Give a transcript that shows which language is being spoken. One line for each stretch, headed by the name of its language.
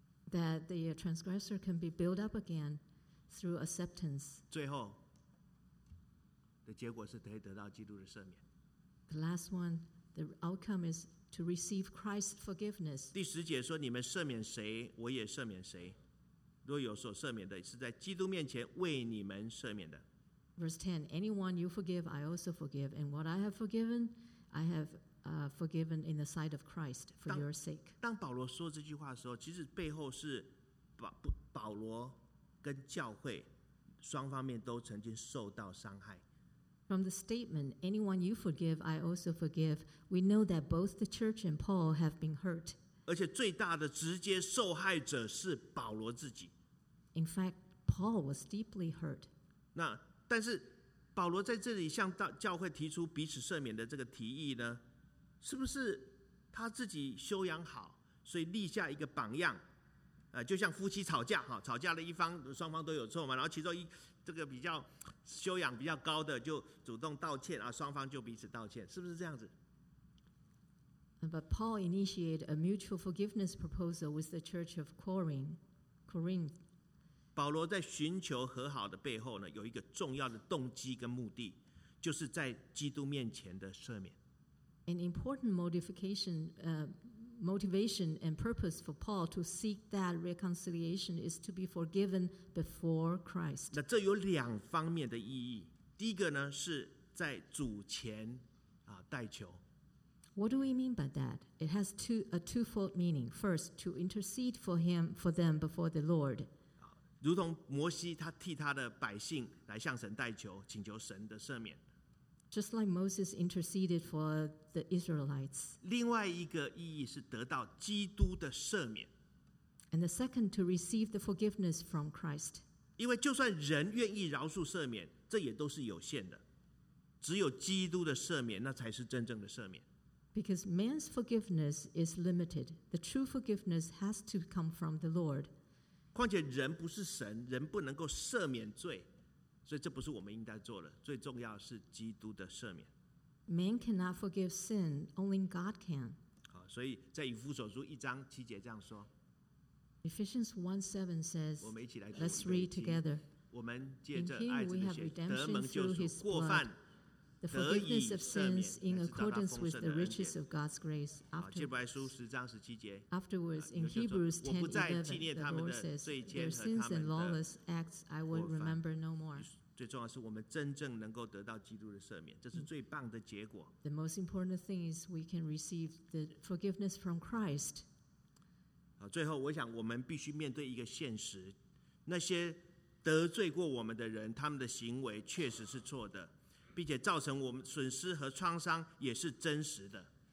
English: That the transgressor can be built up again through acceptance.
Chinese: 最后的结果是可以得到基督的赦免。
English: The last one. The outcome is to receive Christ's forgiveness.
Chinese: 第十节说：“你们赦免谁，我也赦免谁。若有所赦免的，是在基督面前为你们赦免的。”
English: Verse 10: Anyone you forgive, I also forgive, and what I have forgiven, I have forgiven in the sight of Christ for your sake.
Chinese: 当保罗说这句话的时候，其实背后是保罗跟教会双方面都曾经受到伤害。
English: From the statement, anyone you forgive, I also forgive, we know that both the church and Paul have been hurt.
Chinese: 而且最大的直接受害者是保罗自己。
English: In fact, Paul was deeply hurt.
Chinese: 那但是保罗在这里向教会提出彼此赦免的这个提议呢，是不是他自己修养好，所以立下一个榜样？就像夫妻吵架，吵架的一方双方都有错嘛，然后其中一这个比较修养比较高的就主动道歉，双方就彼此道歉，是不是这样子？
English: But Paul initiated a mutual forgiveness proposal with the church of Corinth.
Chinese: 保罗在寻求和好的背后呢，有一个重要的动机跟目的，就是在基督面前的赦免。
English: An important modificationmotivation and purpose for Paul to seek that reconciliation is to be forgiven before Christ.
Chinese: 那这有两方面的意义。第一个呢，是在主前代求。
English: What do we mean by that? It has a twofold meaning. First, to intercede for them before the Lord.
Chinese: 如同摩西他替他的百姓来向神代求，请求神的赦免。
English: Just like Moses interceded for the Israelites.
Chinese: 另外一个意义是得到基督的赦免。
English: And the second to receive the forgiveness from Christ.
Chinese: 因为就算人愿意饶恕赦免，这也都是有限的。只有基督的赦免，那才是真正的赦免。
English: Because man's forgiveness is limited. The true forgiveness has to come from the Lord.
Chinese: 况且人不是神，人不能够赦免罪。所以这不是我们应该做的，最重要是基督的赦免。
English: Man cannot forgive sin, only God can.
Chinese: 好，所以在以弗所书一章七节这样说。
English: Ephesians 1:7 says,
Chinese: 我们一起来读。
English: Let's read together.
Chinese: 我们借着爱子的血得蒙救赎，过犯得以赦免。
English: The forgiveness of sins in accordance with the riches of God's grace.
Chinese: 好，希伯来书十章十七节。
English: Afterwards, in Hebrews 10:11, the Lord says, their sins and lawless acts I will remember no more.
Chinese: 最重要是我们真正能够得到基督的赦免，这是最棒的结果。
English: The most important thing is we can receive the forgiveness from Christ.
Chinese: 最后我想我们必须面对一个现实，那些得罪过我们的人，他们的行为确实是错的，并且造成我们损失和创伤也是真实的。